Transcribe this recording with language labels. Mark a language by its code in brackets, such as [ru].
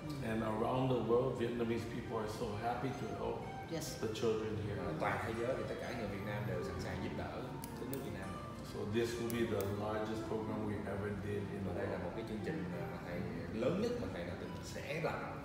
[en] And around the world, Vietnamese people are so happy to help the children here. [vi] Toàn thế giới thì tất cả người Việt Nam đều sẵn sàng giúp đỡ đất nước Việt Nam. [en] So this will be the largest program we ever did in the world. [vi] Đây là một cái chương trình mà thầy lớn nhất mà thầy đã từng sẽ làm.